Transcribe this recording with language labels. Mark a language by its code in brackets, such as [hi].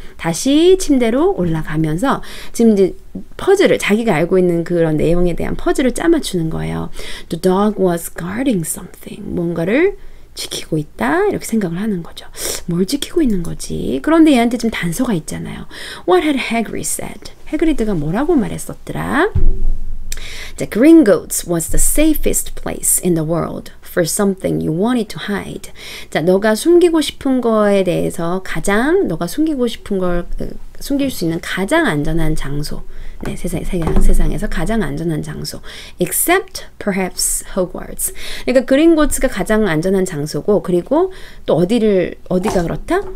[ko] 다시 침대로 올라가면서 지금 이제 퍼즐을 자기가 알고 있는 그런 내용에 대한 퍼즐을 짜맞추는 거예요. [en] The dog was guarding something. [ko] 뭔가를 지키고 있다 이렇게 생각을 하는 거죠. 뭘 지키고 있는 거지? 그런데 얘한테 지금 단서가 있잖아요. [en] What had Hagrid said? [ko] 해그리드가 뭐라고 말했었더라? [en] The Gringotts was the safest place in the world for something you wanted to hide. [ko] 자, 너가 숨기고 싶은 거에 대해서 가장 너가 숨기고 싶은 걸 숨길 수 있는 가장 안전한 장소. 네, 세상에서 가장 안전한 장소. [en] Except perhaps Hogwarts. [ko] 그러니까 그린고츠가 가장 안전한 장소고 그리고 또 어디가 그렇다?